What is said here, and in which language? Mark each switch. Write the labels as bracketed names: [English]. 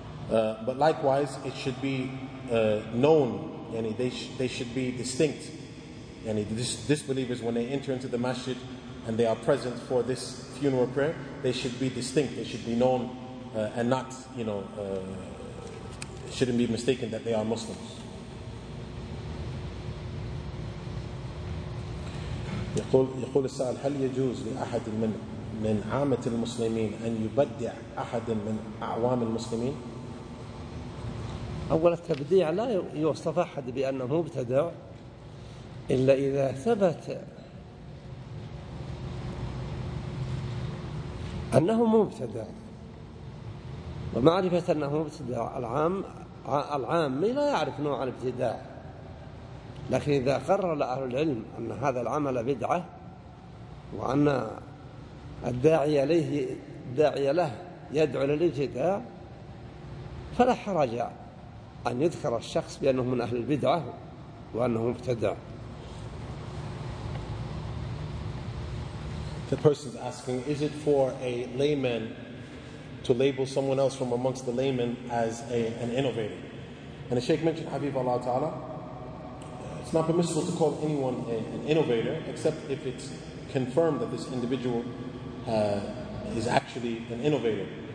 [English] But likewise, it should be known, yani they should be distinct. Yani disbelievers, when they enter into the masjid and they are present for this funeral prayer, they should be distinct. They should be known, and not, you know, shouldn't be mistaken that they are Muslims. [Arabic] يقول السائل هل يجوز لأحد من عامة المسلمين أن يبدع أحد من أعوام المسلمين؟ أول التبديع لا يوصف أحد بأنه مبتدع إلا إذا ثبت أنه مبتدع، ومعرفة أنه مبتدع العام لا يعرف نوع الابتداع، لكن إذا قرر أهل العلم أن هذا العمل بدعة وأن الداعي إليه داعي له يدعو للابتداع فلا حرج أن يذكر الشخص بأنه من أهل البدعة وأنه مبتدع. [English] The person is asking, is it for a layman to label someone else from amongst the laymen as an innovator? And the Shaykh mentioned Habib Allah Ta'ala, it's not permissible to call anyone an innovator except if it's confirmed that this individual is actually an innovator.